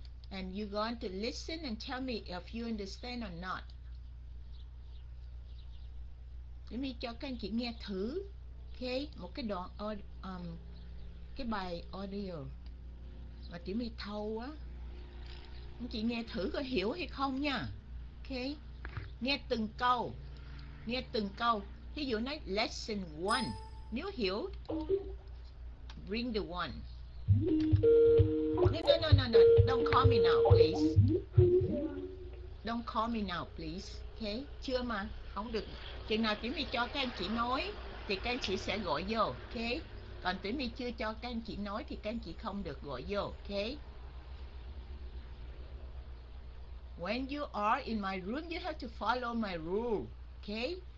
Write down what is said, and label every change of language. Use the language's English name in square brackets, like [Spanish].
[English] And you're going to listen and tell me if you understand or not. Let me [Vietnamese] cho các anh chị nghe thử, okay, một cái đoạn cái bài audio mà chị mi thâu á, anh chị nghe thử có hiểu hay không nha, okay, nghe từng câu, nghe từng câu. Ví dụ nói [English] lesson one, [Vietnamese] nếu hiểu, [English] bring the one. No, don't call me now, please. Don't call me now, please. [Vietnamese] Okay, chưa mà, không được. Chừng nào chị mi cho các anh chị nói thì các anh chị sẽ gọi vô, okay. Còn tí mi chưa cho các anh chị nói thì các anh chị không được gọi vô, okay. [English] When you are in my room, you have to follow my rule, okay.